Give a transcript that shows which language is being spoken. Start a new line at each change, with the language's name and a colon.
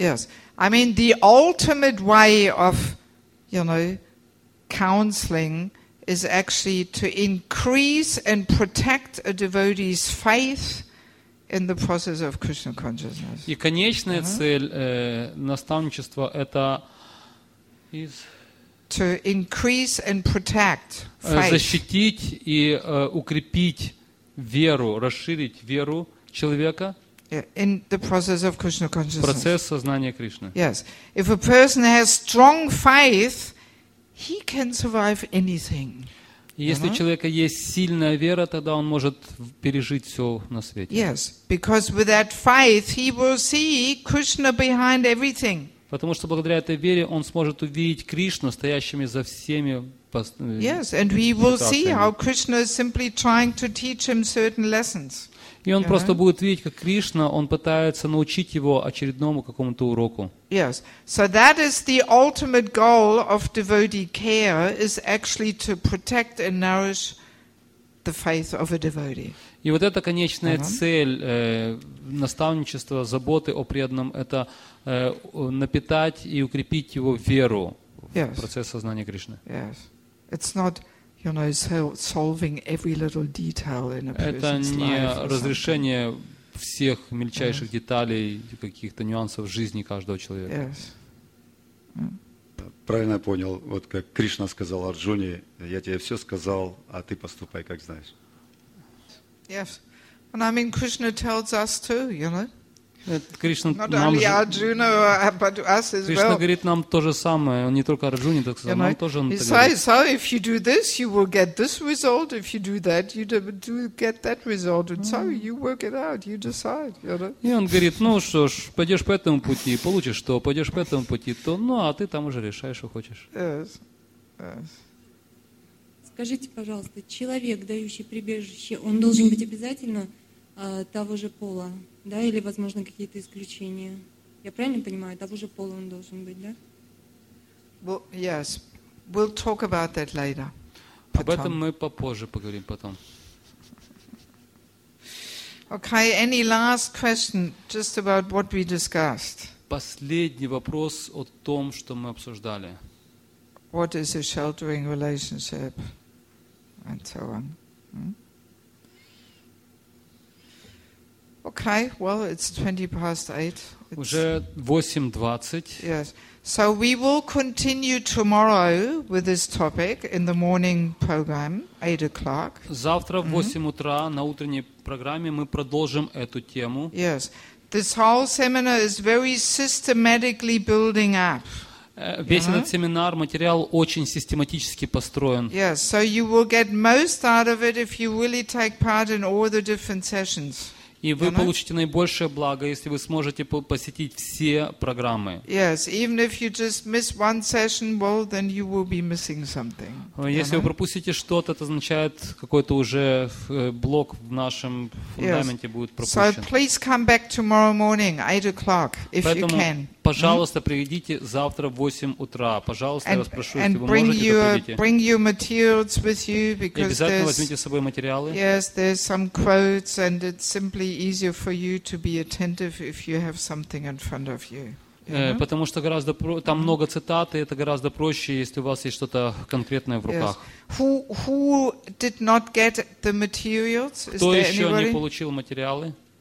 English: Yes. I mean, the ultimate way of, you know, counseling is actually to increase and protect a devotee's faith in the process of Krishna consciousness.
Russian: И конечная цель наставничества — это
English: is to increase and protect faith.
Russian: Защитить и укрепить веру, расширить веру человека
English: in the process of Krishna consciousness.
Russian: Процесс сознания Кришны.
English: Yes. If a person has strong faith, he can survive anything.
Russian: Если у человека есть сильная вера, тогда он может пережить все на свете.
English: Yes. Because with that faith, he will see Krishna behind everything.
Russian: Потому что благодаря этой вере он сможет увидеть Кришну, стоящими за всеми ситуациями.
English: Yes, and we will see how Krishna is simply trying to teach him certain lessons.
Russian: И он просто будет видеть, как Кришна, он пытается научить его очередному какому-то уроку.
English: Yes, so that is the ultimate goal of devotee care, is actually to protect and nourish the faith of a devotee.
Russian: И вот эта конечная цель наставничества, заботы о преданном, это напитать и укрепить его веру в процесс сознания Кришны.
English: Yes. It's not, you know, solving every little detail in a person's life.
Russian: Это не разрешение всех мельчайших деталей, каких-то нюансов жизни каждого человека.
English: Yes.
Russian: Правильно я понял, вот как Кришна сказал Арджуне, я тебе все сказал, а ты поступай, как знаешь.
English: Yes, and I mean Krishna tells us too, you know. Krishna, not only Arjuna, but us as Krishna
Russian: Кришна говорит нам то же самое, не только Арджуне, так сказать, нам тоже он говорит.
English: He says, so if you do this, you will get this result. If you do that, you do get that result. And so you work it out, you decide, you know.
Russian: И он говорит, ну что ж, пойдешь по этому пути, получишь то, пойдешь по этому пути, то, ну а ты там уже решаешь, что хочешь.
English: Yes, yes.
Russian: Скажите, пожалуйста, человек, дающий прибежище, он должен быть обязательно того же пола, да, или, возможно, какие-то исключения? Я правильно понимаю, того же пола он должен быть, да?
English: Well, yes. We'll talk about that later.
Russian: Потом. Об этом мы попозже поговорим потом.
English: Okay, any last question just about what we discussed?
Russian: Последний вопрос о том, что мы обсуждали.
English: What is a sheltering relationship? And so on. Okay, well, it's 8:20.
Russian: Уже 8:20.
English: Yes. So we will continue tomorrow with this topic in the morning program, 8:00.
Russian: Завтра в 8 утра на утренней программе мы продолжим эту тему.
English: Yes. This whole seminar is very systematically building up.
Russian: Весь этот семинар, материал очень систематически построен.
English: Yes, so you will get most out of it if you really take part in all the different sessions.
Russian: И вы получите наибольшее благо, если вы сможете посетить все программы.
English: Yes, even if you just miss one session, well, then you will be missing something.
Russian: Если вы пропустите что-то, это означает, какой-то уже блок в нашем фундаменте
English: yes.
Russian: будет пропущен.
English: So please come back tomorrow morning, 8 o'clock, if
Russian: Поэтому,
English: you can.
Russian: Пожалуйста, приведите завтра в 8 утра. Пожалуйста,
English: and,
Russian: я вас прошу, если вы можете, то приведите.
English: Bring your materials with you, because
Russian: И обязательно возьмите с собой материалы.
English: Yes, there's some quotes, and it's simply easier for you to be attentive if you have something in front of you.
Russian: Потому что гораздо там много цитат, и это гораздо проще, если у вас есть что-то конкретное в руках.
English: Who did not get the materials?
Russian: Кто еще не получил материалы?